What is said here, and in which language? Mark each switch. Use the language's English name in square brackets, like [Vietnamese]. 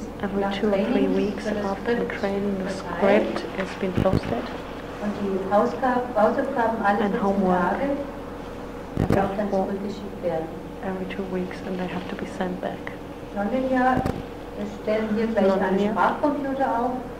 [English] every two or three weeks after the training, the script has been posted. [German] Und die Hausaufgaben alle 14 Tage darf dann zurückgeschickt werden. [English] Every 2 weeks and they have to be sent back. [German] Nonlinear, wir stellen hier gleich einen Sprachcomputer auf.